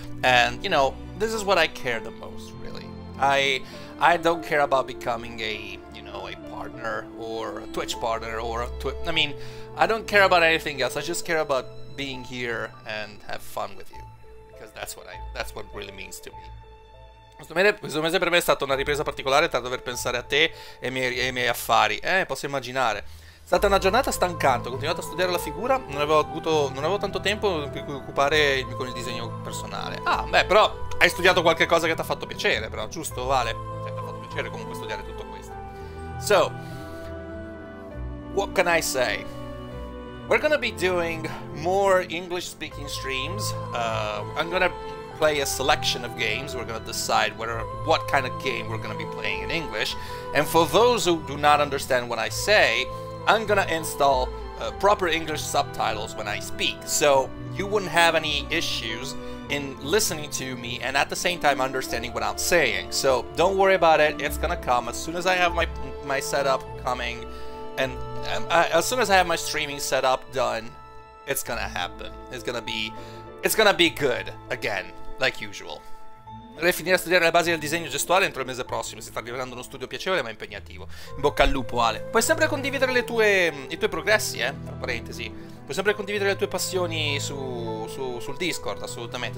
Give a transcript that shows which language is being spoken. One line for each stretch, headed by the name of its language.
English: And, you know, this is what I care the most, really. I don't care about becoming a partner or a Twitch partner or a I don't care about anything else. I just care about being here and have fun with you, because that's what really means to me.
Italian: Questo mese per me è stata una ripresa particolare tra dover pensare a te e i miei affari. Posso immaginare. È stata una giornata stancante, ho continuato a studiare la figura, non avevo tanto tempo per cui occupare con il disegno personale. Ah, beh, però hai studiato qualche cosa che ti ha fatto piacere, però, giusto, Vale? Ti ha fatto piacere comunque studiare tutto questo.
English: So, what can I say? We're gonna be doing more English-speaking streams. I'm gonna play a selection of games. We're gonna decide what kind of game we're gonna be playing in English. And for those who do not understand what I say, I'm gonna install proper English subtitles when I speak, so you wouldn't have any issues in listening to me and at the same time understanding what I'm saying. So don't worry about it, it's gonna come as soon as I have my setup coming, and as soon as I have my streaming setup done, it's gonna happen. It's gonna be good again, like usual.
Italian: Vorrei finire a studiare le basi del disegno gestuale entro il mese prossimo. Si sta arrivando uno studio piacevole ma impegnativo. In bocca al lupo, Ale. Puoi sempre condividere i tuoi progressi, tra parentesi. Puoi sempre condividere le tue passioni sul Discord, assolutamente.